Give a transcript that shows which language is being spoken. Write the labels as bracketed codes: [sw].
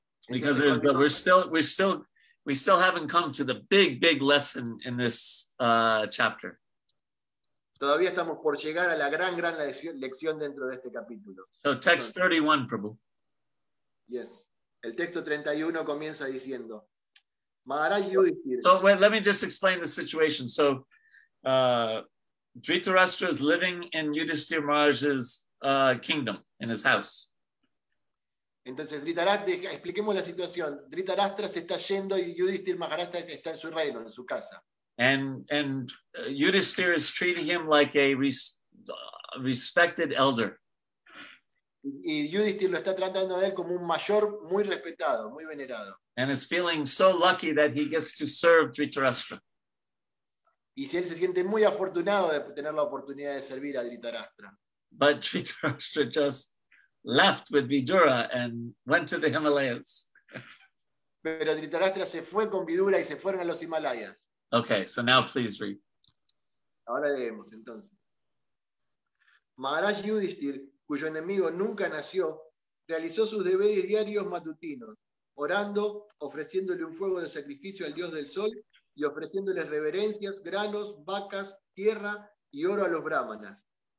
[en] Because we still haven't come to the big, big lesson in this chapter. [es] Todavía estamos por llegar a la gran, gran lección dentro de este capítulo. [en] So text 31, Prabhu. [es] Yes. El texto 31 comienza diciendo, Maharaj Yudhishthira. [en] So wait, let me just explain the situation. So Dhritarashtra is living in Yudhishthira Maharaj's kingdom, in his house. [es] Entonces, Dhritarashtra, expliquemos la situación. Dhritarashtra se está yendo y Yudhishthira Maharaj está en su reino, en su casa. [en] And Yudhishthira is treating him like a respected elder. [es] Y Yudhishthira lo está tratando a él como un mayor muy respetado, muy venerado. [en] And is feeling so lucky that he gets to serve Dhritarashtra. [es] Y él se siente muy afortunado de tener la oportunidad de servir a Dhritarashtra. [en] But Dhritarashtra just left with Vidura and went to the Himalayas. [es] Pero Dhritarashtra se fue con Vidura y se fueron a los Himalayas. [en] Okay, so now please read. [es] Ahora leemos, entonces. Maharaj Yudhishthir, cuyo enemigo nunca nació, realizó sus deberes diarios matutinos, orando, ofreciéndole un fuego de sacrificio al dios del sol y ofreciéndole reverencias, granos, vacas, tierra y oro a los brahmanas.